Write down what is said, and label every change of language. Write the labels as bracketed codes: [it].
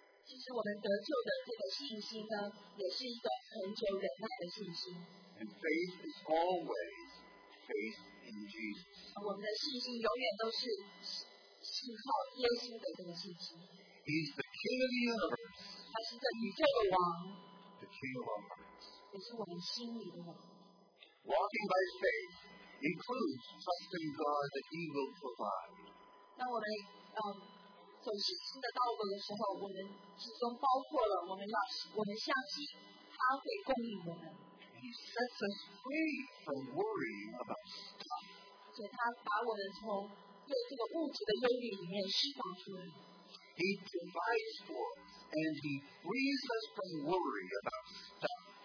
[zh] 其实我们得救的这个信心呢，也是一个恒久忍耐的信心。 [en] And faith is always faith in Jesus. [zh] 我们的信心永远都是信靠耶稣的这个信心。 [en] He's the King of the universe. [zh] 他是这宇宙的王。 [en] The King of our hearts. Walking by faith includes trusting God that He will provide. [zh] 当我们走信心的道路的时候，我们始终包括了我们相信他会供应我们。 [en] He sets us free from worrying about stuff. [zh] 所以他把我们从对这个物质的忧虑里面释放出来。 [en] He provides for us, and He frees us from worry about stuff.